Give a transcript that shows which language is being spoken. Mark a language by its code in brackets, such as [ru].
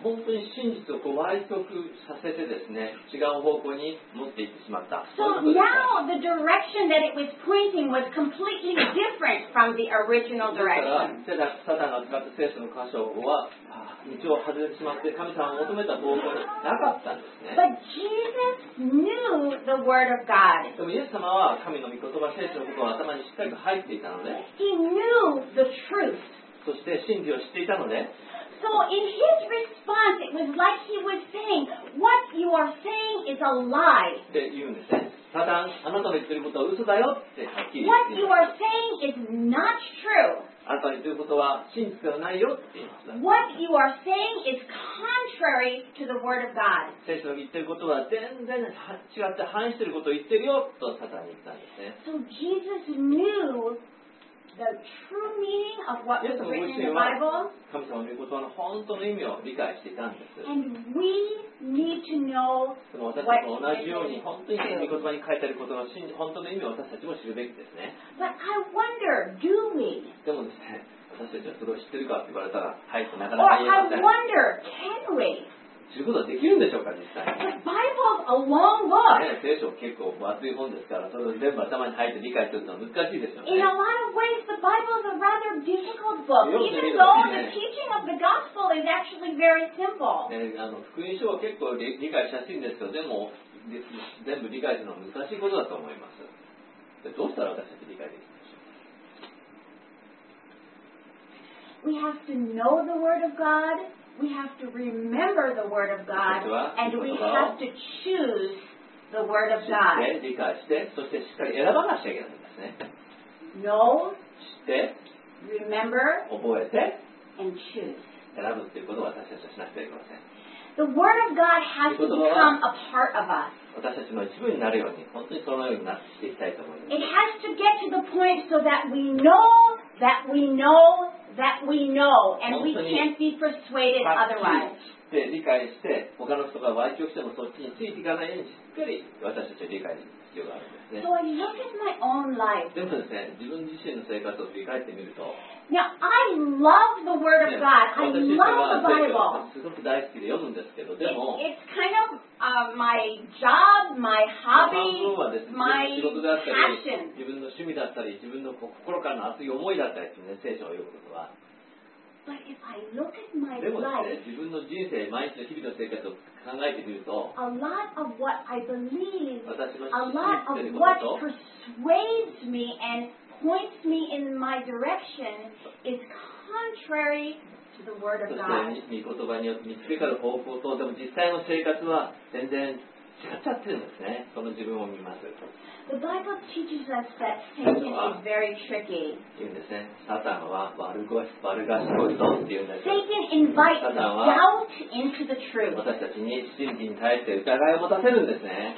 [ja] 本当に真実をこう歪曲させてですね、違う方向に持っていってしまった。 [en] So now the direction that it was pointing was completely different from the original direction. [ja] だから、サタンが使った聖書の箇所は道を外れてしまって、神様が求めた方向になかったんですね。 [en] But Jesus knew the word of God. [ja] でもイエス様は神の御言葉、聖書のことを頭にしっかりと入っていたので、 [en] He knew the truth. [ja] そして真理を知っていたので、 [en] So in his response, it was like he was saying, "What you are saying is a lie." [ja] って言うんですね。サタン、あなたの言ってることは嘘だよってはっきり言う。 [en] What you are saying is not true. [ja] あなたの言することは真実ではないよって言いました。 [en] What you are saying is contrary to the word of God. [ja] 聖書が言っていることは全然違って反していることを言っているよとサタンに言ったんですね。 [en] So Jesus knew the true meaning of what was written in the Bible. [ja] 神様の御言葉の本当の意味を理解していたんです。 [en] And we need to know what [ja] 私たちも同じように本当に御言葉に書いてあることの真本当の意味を私たちも知るべきですね。 [en] But I wonder, do we? [ja] でもですね、私たちはそれを知ってるかって言われたら、はい、なかなか言えません。 [en] Or I wonder, can we? [ja] 知ることはできるんでしょうか実際。 [en] Bible's a long book. [ja] 聖書結構分厚い本ですから、それを全部頭に入って理解するのは難しいでしょうね。 [en] In a lot of ways, the Bible is a rather difficult book. Even though the teaching of the gospel is actually very simple. [ja] 福音書は結構理解しやすいんですけど、でも全部理解するのは難しいことだと思います。でどうしたら私たち理解できるんでしょう。 [en] We have to know the Word of God. We have to remember the word of God, and we have to choose the word of God. [ja] 知って、理解して、そしてしっかり選ばなきゃいけないんですね。 [en] Know, [ja] 知って、 [en] remember, [ja] 覚えて、 [en] and choose. [ja] 選ぶっていうことを私たちはしなくてはいけません。 [en] The word of God has to become a part of us. [ja] 私たちの一部になるように、本当にそのようになっていきたいと思います。 [en] It has to get to the point so that we know that we know. That we know, and we can't be persuaded otherwise. [ja] 理解して、他の人が歪曲してもそっちについていかないようにしっかり私たちは理解する必要があるんですね。 [en] So I look at my own life. [ja] でもですね、自分自身の生活を振り返ってみると、 [en] Now I love the Word of God. I love the Bible. [ja] すごく大好きで読むんですけど、でも、 [en] It's kind of my job, my hobby, my passion. [ja] 自分の趣味だったり、自分の心からの熱い思いだったりですね、聖書を読むことは。 [en] But if I look at my life, [ja] でもですね、自分の人生、毎日の日々の生活を考えてみると、 [en] a lot of what I believe, [ja] 私の信じていること [en] と、a lot of what persuades me andPoints me in my direction is contrary to the word of God. [ja] 言葉によって導かれる方向とでも実際の生活は全然違っちゃってるんですね。その自分を見ます。 [en] The Bible teaches us that Satan is very tricky. [ja] 言うんですね。サタンは悪賢いぞっていうんです。 [en] Satan invites doubt into the truth. [ja] 私たちに真理に対して疑いを持たせるんですね。